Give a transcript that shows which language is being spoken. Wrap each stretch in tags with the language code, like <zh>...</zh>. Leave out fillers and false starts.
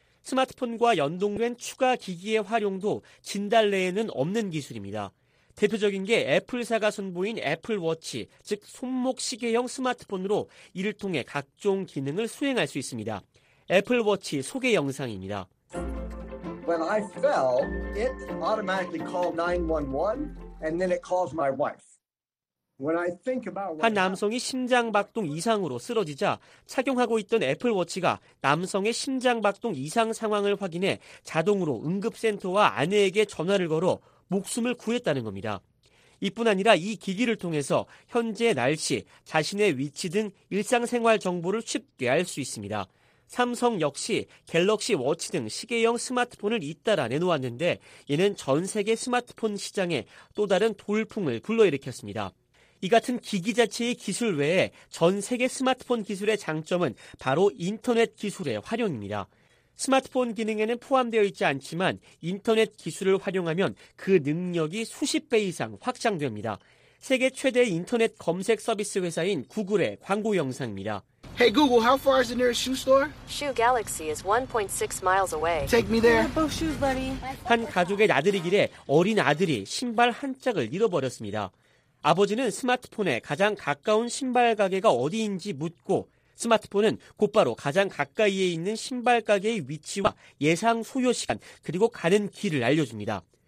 <ko>스마트폰과 연동된 추가 기기의 활용도 진달래에는 없는 기술입니다. 대표적인 게 애플사가 선보인 애플워치, 즉 손목 시계형 스마트폰으로 이를 통해 각종 기능을 수행할 수 있습니다. 애플워치 소개 영상입니다.</ko> <en>When I fell, it automatically called 911 and then it calls my wife. When I think about</en> <ko>한 남성이 심장박동 이상으로 쓰러지자 착용하고 있던 애플워치가 남성의 심장박동 이상 상황을 확인해 자동으로 응급센터와 아내에게 전화를 걸어 목숨을 구했다는 겁니다. 이뿐 아니라 이 기기를 통해서 현재의 날씨, 자신의 위치 등 일상생활 정보를 쉽게 알 수 있습니다. 삼성 역시 갤럭시 워치 등 시계형 스마트폰을 잇따라 내놓았는데 얘는 전 세계 스마트폰 시장에 또 다른 돌풍을 불러일으켰습니다. 이 같은 기기 자체의 기술 외에 전 세계 스마트폰 기술의 장점은 바로 인터넷 기술의 활용입니다. 스마트폰 기능에는 포함되어 있지 않지만 인터넷 기술을 활용하면 그 능력이 수십 배 이상 확장됩니다. 세계 최대 인터넷 검색 서비스 회사인 구글의 광고 영상입니다.</ko> <en>Hey Google, how far is the nearest shoe store? Shoe Galaxy is 1.6 miles away. Take me there. Both shoes, buddy.</en> <ko>한 가족의 나들이 길에 어린 아들이 신발 한 짝을 잃어버렸습니다. 아버지는 스마트폰에 가장 가까운 신발 가게가 어디인지 묻고 스마트폰은 곧바로 가장 가까이에 있는 신발 가게의 위치와 예상 소요 시간 그리고 가는 길을 알려줍니다.</ko>